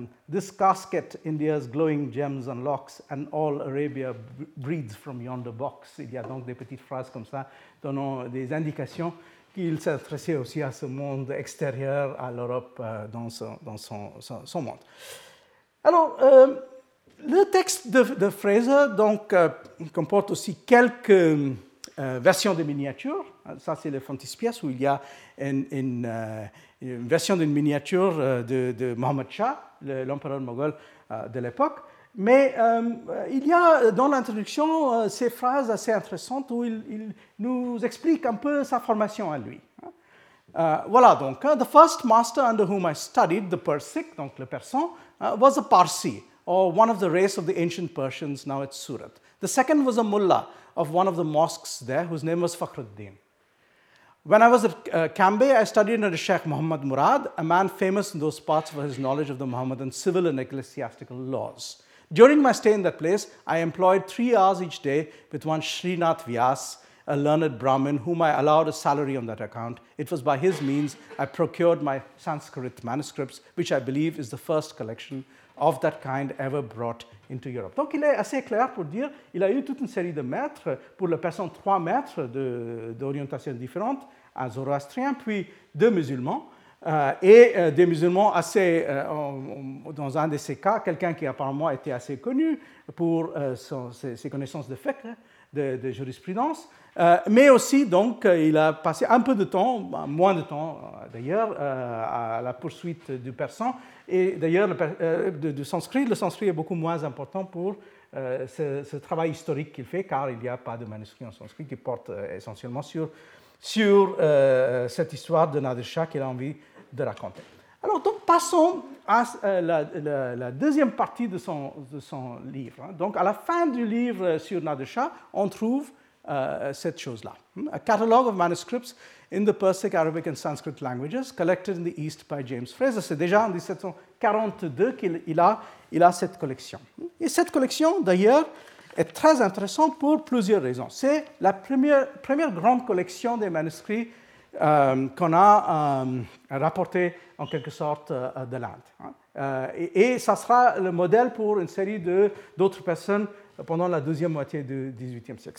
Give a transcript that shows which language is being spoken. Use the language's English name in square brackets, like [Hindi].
[English] This casket, India's glowing gems and locks, and all Arabia breathes from yonder box. [French] Il y a donc des petites phrases comme ça donnant des indications qu'il s'intéressait aussi à ce monde extérieur, à l'Europe, dans son monde. Alors, le texte de Fraser donc comporte aussi quelques versions de miniatures. Ça, c'est le frontispiece où il y a une version d'une miniature de Mohammed Shah, l'empereur moghol de l'époque. Mais il y a dans l'introduction ces phrases assez intéressantes où il nous explique un peu sa formation à lui. Voilà donc. [English] The first master under whom I studied, the Persic, [French] donc le Persan, [English] was a Parsi, or one of the race of the ancient Persians now at Surat. The second was a mullah of one of the mosques there whose name was Fakhruddin. When I was at Cambay, I studied under Sheikh Muhammad Murad, a man famous in those parts for his knowledge of the Muhammadan civil and ecclesiastical laws. During my stay in that place, I employed 3 hours each day with one Srinath Vyas, a learned Brahmin whom I allowed a salary on that account. It was by his means I procured my Sanskrit manuscripts, which I believe is the first collection of that kind ever brought into Europe. [French] Donc il est assez clair pour dire qu'il a eu toute une série de maîtres, pour la personne, trois maîtres d'orientation différente, un zoroastrien, puis deux musulmans, et des musulmans assez, dans un de ces cas, quelqu'un qui apparemment était assez connu pour ses connaissances de fiqh, de jurisprudence, mais aussi donc il a passé un peu de temps, moins de temps d'ailleurs, à la poursuite du persan, et d'ailleurs du sanskrit. Le sanskrit est beaucoup moins important pour ce travail historique qu'il fait, car il n'y a pas de manuscrit en sanskrit qui porte essentiellement sur cette histoire de Nader Shah qu'il a envie de raconter. Alors donc passons à la deuxième partie de son livre. Donc à la fin du livre sur Nader Shah, on trouve cette chose-là. [English] A catalogue of manuscripts in the Persic, Arabic and Sanskrit languages collected in the East by James Fraser. [French] C'est déjà en 1742 qu'il a cette collection. Et cette collection, d'ailleurs, est très intéressante pour plusieurs raisons. C'est la première grande collection des manuscrits qu'on a rapporté en quelque sorte de l'Inde. Et ça sera le modèle pour une série d'autres personnes pendant la deuxième moitié du XVIIIe siècle.